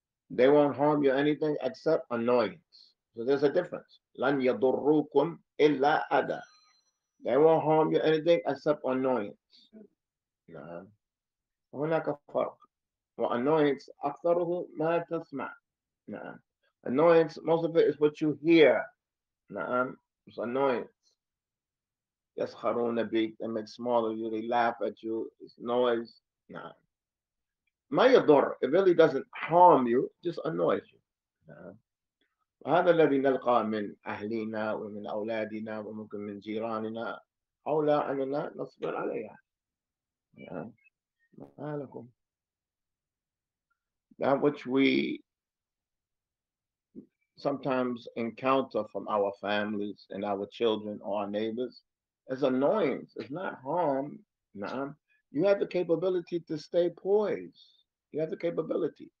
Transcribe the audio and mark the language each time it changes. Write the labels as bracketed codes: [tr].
[en] They won't harm you anything except annoyance. So there's a difference. [ar] لن يضركم إلا أذى. [en] They won't harm you anything except annoyance. [ar] نعم. هناك فرق. وannoyance أكثره ما تسمع. نعم. [en] Annoyance, most of it is what you hear. [ar] نعم. [en] It's annoyance. [ar] يسخرون بك. [en] They make small of you. They laugh at you. It's noise. [ar] نعم. ما يضر. [en] It really doesn't harm you. It just annoys you. نعم. [ar] وهذا الذي نلقى من أهلنا ومن أولادنا وممكن من جيراننا أو لا أننا نصبر عليها. نعم. ما لكم. [en] That which we sometimes encounter from our families and our children or our neighbors is annoyance. It's not harm. نعم. You have the capability to stay poised. You have the capability.